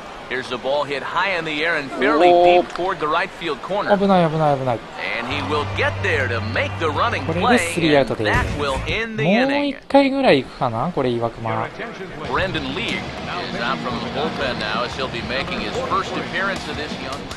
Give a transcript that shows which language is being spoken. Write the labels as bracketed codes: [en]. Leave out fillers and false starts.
[en] Here's the ball hit high in the air and fairly deep toward the right field corner. [ja] 危ない危ない危ない。 [en] And he will get there to make the running play. [ja] これでスリーアウトです。もう一回ぐらい行くかな？これ岩熊。 [en] Brandon Lee is out from the bullpen now as he'll be making his first appearance of this young